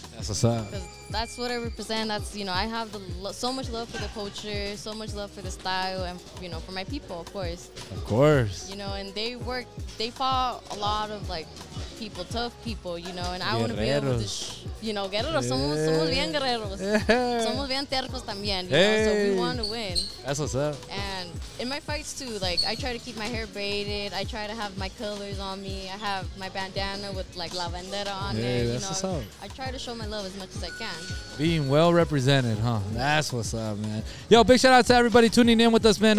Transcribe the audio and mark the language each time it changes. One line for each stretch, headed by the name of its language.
English: That's what's up. Because that's what I represent. That's, you know, I have the so much love for the culture, so much love for the style, and, you know, for my people, of course. Of course. You know, and they work. They fought a lot of, like, people, tough people, you know, and I want to be able to,
Spanish: guerreros. Somos bien guerreros. Somos bien tercos también,
English: you know, so we want to win. That's what's up. And in my fights too, like I try to keep my hair braided, I try to have my colors on me, I have my bandana with like lavandera on yeah, it. That's you know, what's up. I try to show my love as much as I can. Being well represented, huh? That's what's up, man. Yo, big shout out to everybody tuning in with us, man.